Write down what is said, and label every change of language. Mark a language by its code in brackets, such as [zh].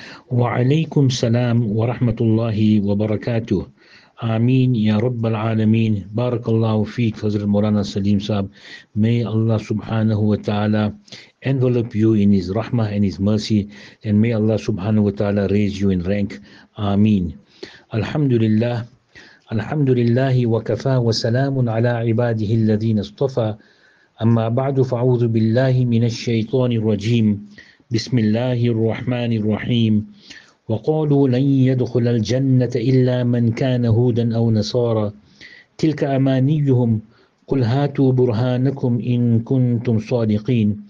[ar] وعليكم السلام ورحمة الله وبركاته. آمين يا رب العالمين. بارك الله فيك فضل مولانا سليم صاحب. [en] May Allah subhanahu wa ta'ala envelop you in his rahmah and his mercy, and may Allah subhanahu wa ta'ala raise you in rank. [ar] آمين. الحمد لله الحمد لله وكفى وسلام على عباده الذين اصطفى. أما بعد، فأعوذ بالله من الشيطان الرجيم. بسم الله الرحمن الرحيم. وقالوا لن يدخل الجنة إلا من كان هودا أو نصارى، تلك أمانيهم، قل هاتوا برهانكم إن كنتم صادقين.